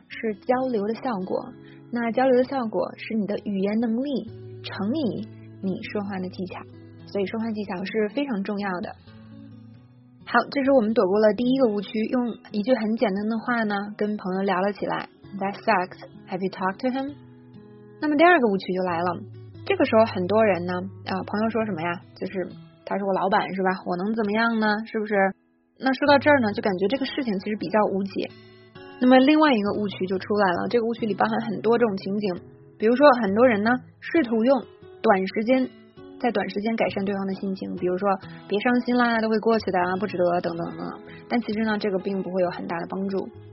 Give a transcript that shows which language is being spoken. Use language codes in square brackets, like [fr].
[zh] 是交流的效果。那交流的效果是你的语言能力乘以你说话的技巧，所以说话技巧是非常重要的。好，这是我们躲过了第一个误区，用一句很简单的话呢跟朋友聊了起来。 [en] That sucks, have you talked to him? [zh] 那么第二个误区就来了，这个时候很多人呢朋友说什么呀，就是他是我老板是吧，我能怎么样呢，是不是？那说到这儿呢，就感觉这个事情其实比较无解。那么另外一个误区就出来了，这个误区里包含很多这种情景，比如说很多人呢试图用短时间在短时间改善对方的心情，比如说别伤心啦，都会过去的啊，不值得等等等，但其实呢这个并不会有很大的帮助。